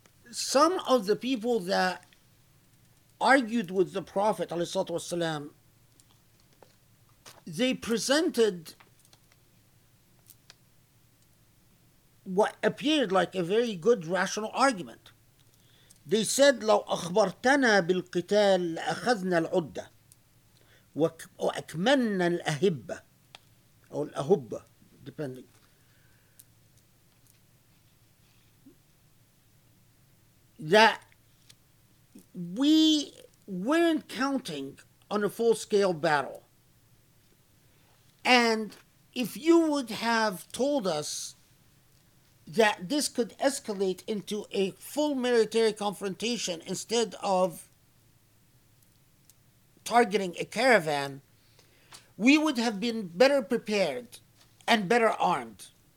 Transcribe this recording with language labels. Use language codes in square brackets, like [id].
[en] Some of the people that argued with the Prophet, alayhi salatu wasalam, they presented what appeared like a very good rational argument. They said, [ar] لو أخبرتنا بالقتال لأخذنا العدة وأكملنا الأهبة أو الأهبة, [en] depending. That we weren't counting on a full-scale battle. And if you would have told us that this could escalate into a full military confrontation instead of targeting a caravan, we would have been better prepared and better armed.